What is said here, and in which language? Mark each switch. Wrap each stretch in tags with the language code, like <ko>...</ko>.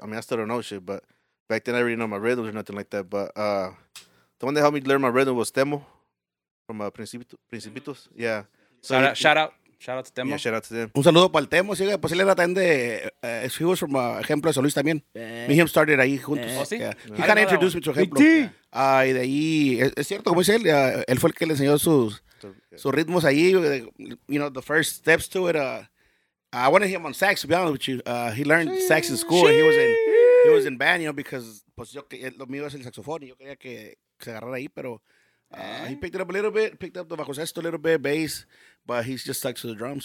<en>I mean, I still don't know shit, but back then I didn't know my rhythms or nothing like that. But the one that helped me learn my rhythm was Temo from Principitos. Yeah. So shout out to Temo. Yeah, shout out to them.</en> <es>Un saludo para el Temo. Sí, pues él era también de,</es> <en>he was from</en> <es>Ejemplo de San Luis también.</es> <en>Me and him started</en> <es>ahí juntos. Oh, sí?</es> <en>Yeah. No, he kind of introduced me to Ejemplo.</en> <es>Sí. Y de ahí, es cierto, como dice él, él fue el que le enseñó sus...</es> <en>So</en> <es>ritmos ahí,</es> <en>you know, the first steps to it. I wanted him on sax, to be honest with you. He learned sax in school, and he was in band, you know, because</en> <es>pues yo que lo mío es el saxofón, y yo quería que se agarrara ahí,</es> <en>pero he picked it up a little bit, picked up the bajo sexto a little bit, bass, but he's just stuck to the drums.</en>